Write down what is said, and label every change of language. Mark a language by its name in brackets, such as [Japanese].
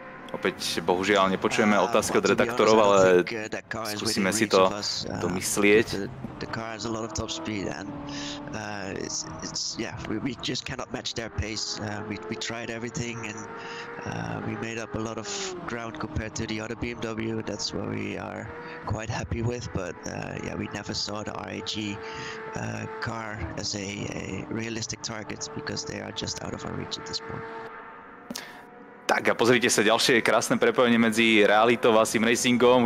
[Slovak] Opäť bohužiaľ nepočujeme otázky od redaktorov, ale skúsime si to domyslieť. [English] The car has a lot of top speed and it's yeah, we just cannot match their pace. We tried everything and we made up a lot of ground compared to the other BMW. That's what we are quite happy with, but yeah, we never saw the RAG car as a realistic target because they are just out of our reach at this point. [Slovak] Tak a pozrite sa, ďalšie krásne prepojenie medzi realitou a simracingom.